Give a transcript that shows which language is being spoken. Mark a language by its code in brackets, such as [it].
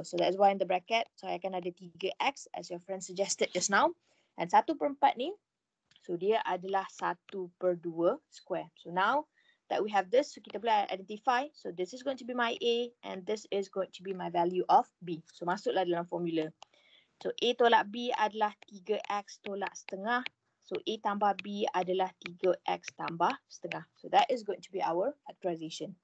[en] So that's why in the bracket, [ms] so I akan ada 3x [en] as your friend suggested just now. [ms] And 1 per 4 ni, so dia adalah 1 per 2 square. [en] So now that we have this, [ms] so kita boleh identify. [en] So this is going to be my A and this is going to be my value of B. [ms] So masuklah dalam formula. So A tolak B adalah 3X tolak setengah. So A tambah B adalah 3X tambah setengah. [en] So that is going to be our factorization.